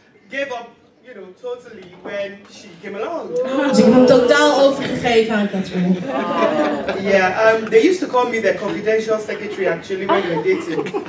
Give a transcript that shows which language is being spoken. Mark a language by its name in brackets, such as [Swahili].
[English] Gave up, you know, totally when she came along. [Dutch] Ze heeft hem totaal overgegeven aan Catherine. [English] Yeah, they used to call me their confidential secretary actually when we were dating.